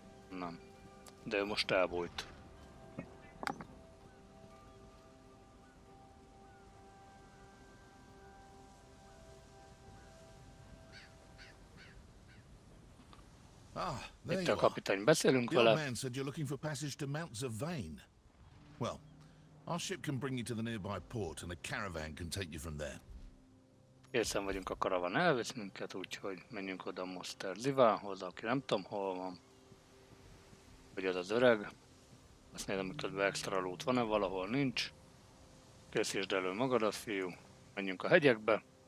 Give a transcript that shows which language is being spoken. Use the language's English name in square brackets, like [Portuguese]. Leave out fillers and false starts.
[Hungarian] Nem. De ő most elbújt. Ah, there itt a kapitány, beszélünk vele. [English] Your man said you're looking for passage to Mount Zavain. Well, our ship can bring you to the nearby port and a caravan can take you from there. [Hungarian] Készen vagyunk, a karavan elvisz minket, úgyhogy menjünk oda Moster Livánhoz, aki nem tudom hol van. Vagy az az öreg. Azt nézem, hogy közben extra loot van-e, valahol nincs. Készítsd elő magadat, fiú. Menjünk a hegyekbe.